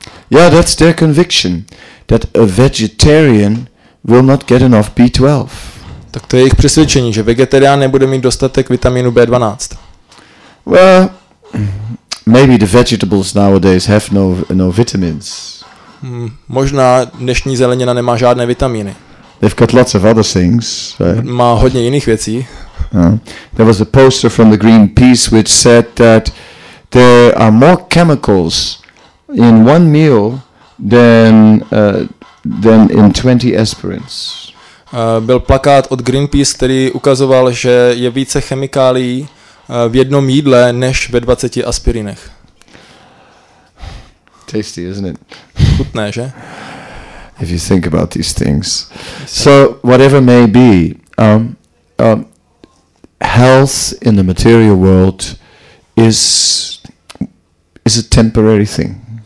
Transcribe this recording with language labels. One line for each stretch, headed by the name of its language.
English: Yeah, that's their conviction that a vegetarian will not get enough B12.
Czech: Tak to je jejich přesvědčení, že vegetarián nebude mít dostatek vitaminu B12.
English: Well, maybe the vegetables nowadays have no vitamins.
Czech: Možná dnešní zelenina nemá žádné vitamíny.
English: They've got lots of other things. Right?
Czech: Má hodně jiných věcí.
English: There was a poster from the Greenpeace which said that there are more chemicals in one meal than in 20 aspirins.
Czech: Byl plakát od Greenpeace, který ukazoval, že je více chemikálií v jednom jídle než ve 20 aspirinech.
English: Tasty, isn't it?
Czech: Chutné, že?
English: If you think about these things. So whatever may be, health in the material world is a temporary thing.